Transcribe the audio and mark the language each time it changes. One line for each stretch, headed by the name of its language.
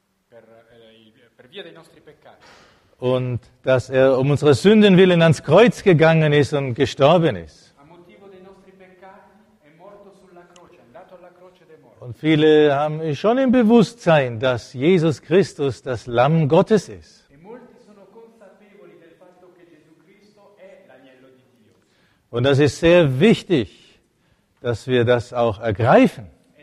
Italian: Per via dei nostri peccati.
German: Und dass er um unsere Sünden willen ans Kreuz gegangen ist und gestorben ist.
Italian: A motivo dei nostri peccati è morto sulla croce, andato alla croce dei morti.
German: Und viele haben schon im Bewusstsein, dass Jesus Christus das Lamm Gottes ist.
Italian: E molti sono consapevoli del fatto che Gesù Cristo è l'agnello di Dio.
German: Und das ist sehr wichtig, dass wir das auch ergreifen.